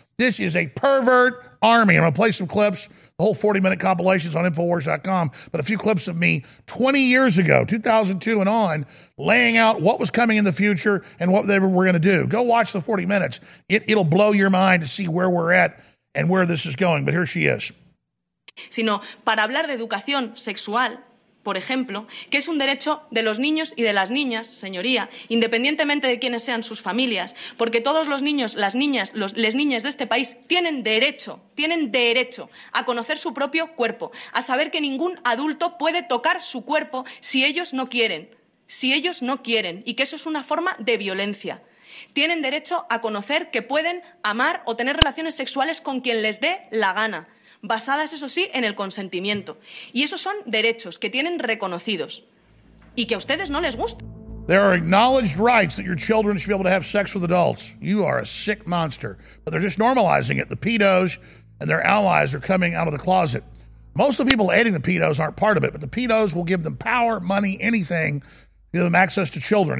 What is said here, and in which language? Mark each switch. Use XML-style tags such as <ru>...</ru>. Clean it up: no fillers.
<es>This is a pervert army. I'm going to play some clips. The whole 40-minute compilation is on Infowars.com, but a few clips of me 20 years ago, 2002 and on, laying out what was coming in the future and what they were going to do. Go watch the 40 minutes. It'll blow your mind to see where we're at and where this is going, but here she is. Sino para hablar de educación sexual, por ejemplo, que es un derecho de los niños y de las niñas, señoría, independientemente de quiénes sean sus familias, porque todos los niños, las niñas, les niñas de este país tienen derecho a conocer su propio cuerpo, a saber que ningún adulto puede tocar su cuerpo si ellos no quieren, si ellos no quieren, y que eso es una forma de violencia. Tienen derecho a conocer que pueden amar o tener relaciones sexuales con quien les dé la gana. Basadas, eso sí, en el consentimiento. Y esos son derechos que tienen reconocidos y que a ustedes no les gusta.</es> <en>There are acknowledged rights that your children should be able to have sex with adults. You are a sick monster. But they're just normalizing it. The pedos and their allies are coming out of the closet. Most of the people aiding the pedos aren't part of it, but the pedos will give them power, money, anything, give them access to children.</en>